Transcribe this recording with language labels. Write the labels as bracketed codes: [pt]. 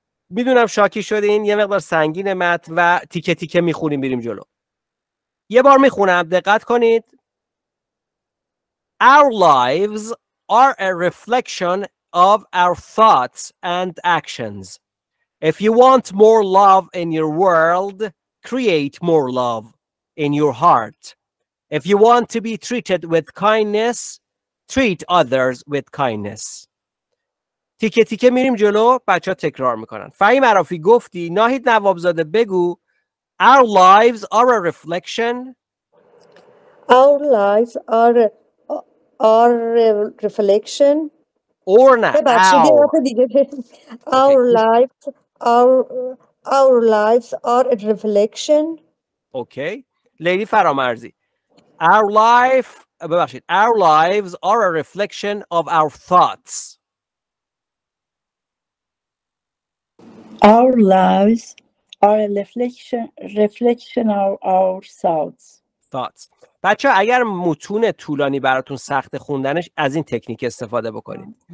[fa] میدونم شاکی شدین، یه مقدار سنگین متن و تیکه تیکه میخونیم بریم جلو. یه بار میخونم، دقت کنید. [en] Our lives are a reflection of our thoughts and actions. If you want more love in your world, create more love in your heart. If you want to be treated with kindness, treat others with kindness. [fa] تیکه تیکه میریم جلو، بچه ها تکرار میکنن. فهیم عرافی گفتی، ناهید نوابزاده بگو. [en] Our lives are a reflection. Our lives are a reflection. Or not. Our lives are a reflection. [fa] Okay. لیلی فرامرزی. [en] Our lives are a reflection of our thoughts. Our lives are a reflection of our thoughts. [fa] بچه ها اگر متون طولانی براتون سخت خوندنش، از این تکنیک استفاده بکنید.